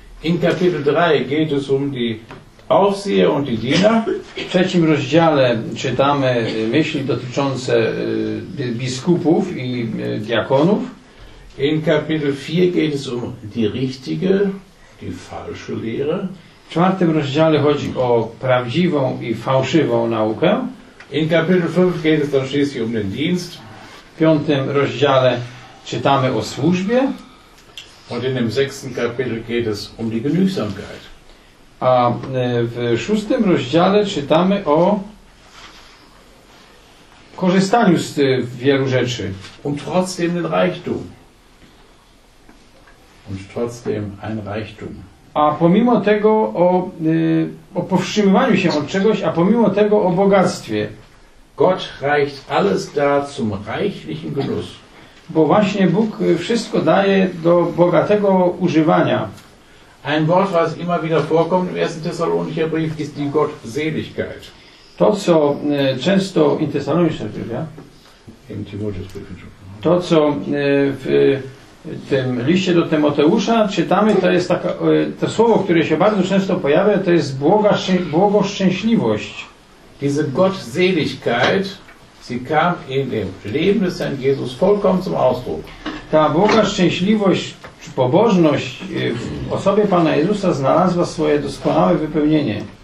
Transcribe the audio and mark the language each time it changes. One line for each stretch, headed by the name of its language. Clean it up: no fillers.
German: In Kapitel 3 geht es um die Aufsieher und die Diener.
Polish: W trzecim rozdziale czytamy myśli dotyczące biskupów i diakonów.
German: In Kapitel 4 geht es um die richtige, die falsche Lehre.
Polish: W czwartym rozdziale chodzi o prawdziwą i fałszywą naukę.
German: In Kapitel 5 geht es dann schließlich um den Dienst.
Polish: W piątym rozdziale czytamy o służbie.
German: Und in dem sechsten Kapitel geht es um die Genügsamkeit.
Polish: A w szóstym rozdziale czytamy o korzystaniu z wielu rzeczy.
German: Und trotzdem den Reichtum. Und trotzdem ein Reichtum.
Polish: A pomimo tego o powstrzymywaniu się od czegoś, a pomimo tego o bogactwie.
German: Gott reicht alles da zum reichlichen Genuss.
Polish: Bo właśnie Bóg wszystko daje do bogatego używania.
German: Ein Wort, was immer wieder vorkommt im ersten Thessalonicher Brief, ist die Gottseligkeit.
Polish: To, co często
German: in Thessalonicher Brief, ja? In Timotheusbrief.
Polish: To, co w tym liście do Tymoteusza czytamy, to jest taka, to słowo, które się bardzo często pojawia, to jest błogoszczęśliwość.
German: Diese Gottseligkeit, sie kam in dem Leben des Herrn Jesus vollkommen zum Ausdruck.
Polish: Ta błogoszczęśliwość, pobożność w osobie Pana Jezusa znalazła swoje doskonałe wypełnienie.